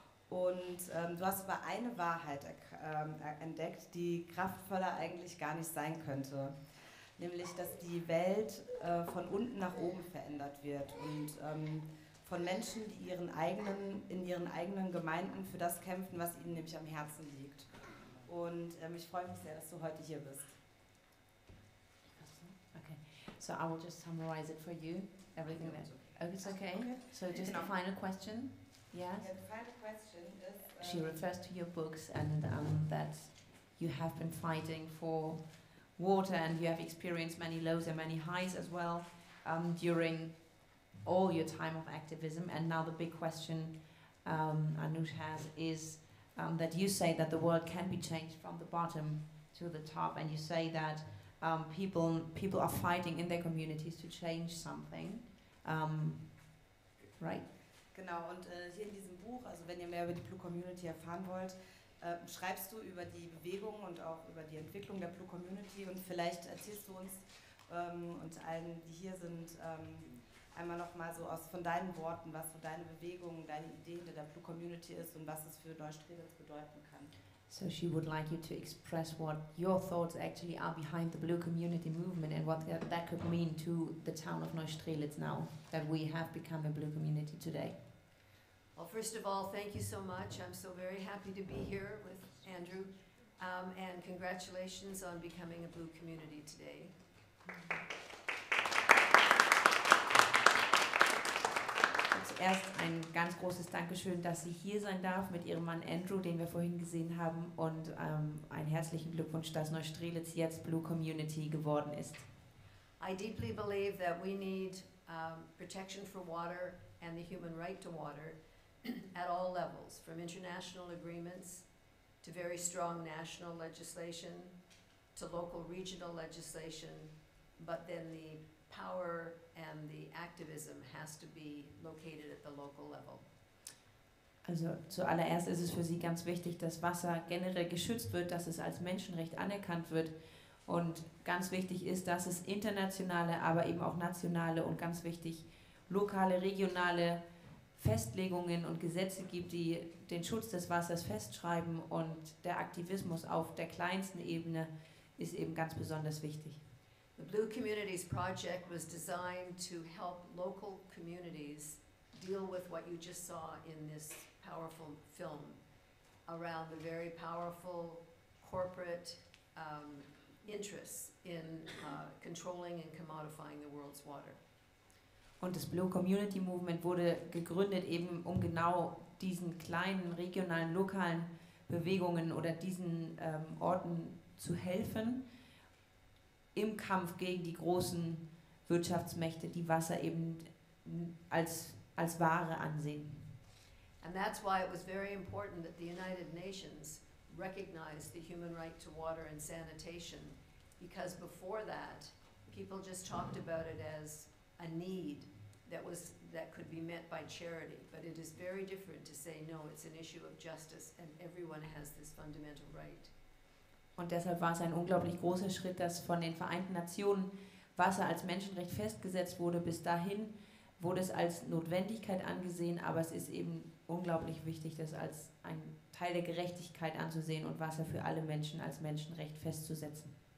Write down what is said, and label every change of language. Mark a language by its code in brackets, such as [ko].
[de] Und du hast aber eine Wahrheit entdeckt, die kraftvoller eigentlich gar nicht sein könnte. Nämlich, dass die Welt von unten nach oben verändert wird und von Menschen, die in ihren eigenen Gemeinden für das kämpfen, was ihnen nämlich am Herzen liegt. Und ich freue mich sehr, dass du heute hier bist. [en] Okay, so I will just summarize it for you, everything that... Oh, it's okay? So just the final question? Yes? The final question is... She refers to your books and that you have been fighting for water and you have experienced many lows and many highs as well during all your time of activism. And now the big question Anoush has is that you say that the world can be changed from the bottom to the top, and you say that people are fighting in their communities to change something, right? [de] Genau, und hier in diesem Buch, also wenn ihr mehr über die Blue Community erfahren wollt, schreibst du über die Bewegung und auch über die Entwicklung der Blue Community, und vielleicht erzählst du uns und allen, die hier sind, einmal nochmal so aus von deinen Worten, was so deine Bewegung, deine Idee hinter der Blue Community ist und was es für Neustrelitz bedeuten kann. [en] So she would like you to express what your thoughts actually are behind the Blue Community movement and what that could mean to the town of Neustrelitz now that we have become a Blue Community today. Well, first of all, thank you so much. I'm so very happy to be here with Andrew, and congratulations on becoming a Blue Community today. [de] Erst ein ganz großes Dankeschön, dass sie hier sein darf mit ihrem Mann Andrew, den wir vorhin gesehen haben, und einen herzlichen Glückwunsch, dass Neustrelitz jetzt Blue Community geworden ist. [en] I deeply believe that we need protection for water and the human right to water at all levels, from international agreements to very strong national legislation to local regional legislation, but then the power and the activism has to be located at the local level. [de] Also zuallererst ist es für Sie ganz wichtig, dass Wasser generell geschützt wird, dass es als Menschenrecht anerkannt wird, und ganz wichtig ist, dass es internationale, aber eben auch nationale und ganz wichtig lokale, regionale Festlegungen und Gesetze gibt, die den Schutz des Wassers festschreiben, und der Aktivismus auf der kleinsten Ebene ist eben ganz besonders wichtig. [en] The Blue Communities Project was designed to help local communities deal with what you just saw in this powerful film around the very powerful corporate interests in controlling and commodifying the world's water. [de] Und das Blue Community Movement wurde gegründet eben, um genau diesen kleinen regionalen, lokalen Bewegungen oder diesen Orten zu helfen im Kampf gegen die großen Wirtschaftsmächte, die Wasser eben als Ware ansehen. [en] And that's why it was very important that the United Nations recognized the human right to water and sanitation, because before that, people just talked about it as a need, that could be met by charity, but it is very different to say, no, it's an issue of justice and everyone has this fundamental right. [de] Und deshalb war es ein unglaublich großer Schritt, dass von den Vereinten Nationen Wasser als Menschenrecht festgesetzt wurde. Bis dahin wurde es als Notwendigkeit angesehen, aber es ist eben unglaublich wichtig, das als ein Teil der Gerechtigkeit anzusehen und Wasser für alle Menschen als Menschenrecht festzusetzen.